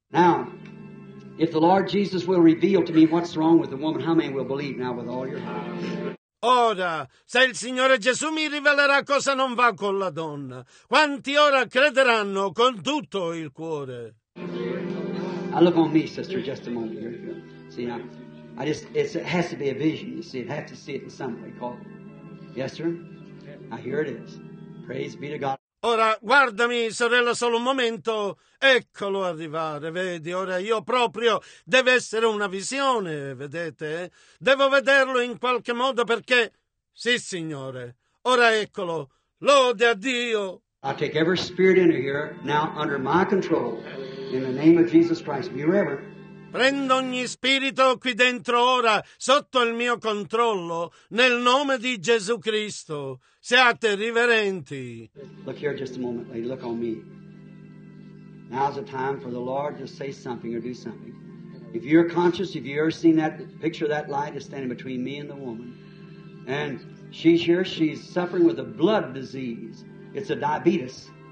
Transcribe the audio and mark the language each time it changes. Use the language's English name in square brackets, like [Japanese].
[English] Now, if the Lord Jesus will reveal to me what's wrong with the woman, how many will believe now with all your heart? [Italian] Ora, se il Signore Gesù mi rivelerà cosa non va con la donna, quanti ora crederanno con tutto il cuore? [English] I look on me, sister, just a moment. See, It has to be a vision, you see. It has to see it in some way. Call it. Yes, sir? Now, here it is. Praise be to God. [Italian] Ora, guardami, sorella, solo un momento. Eccolo arrivare, vedi, ora io proprio, deve essere una visione, vedete? Devo vederlo in qualche modo perché, sì, signore, ora eccolo, lode a Dio. [English] I take every spirit into here, now under my control, in the name of Jesus Christ, be forever. [Italian] Prendo ogni spirito qui dentro ora, sotto il mio controllo, nel nome di Gesù Cristo. Siate riverenti. [English] Look here just a moment, lady. Look on me. Now's the time for the Lord to say something or do something. If you're conscious, if you've ever seen that picture of that light is standing between me and the woman, and she's here, she's suffering with a blood disease. It's a diabetes.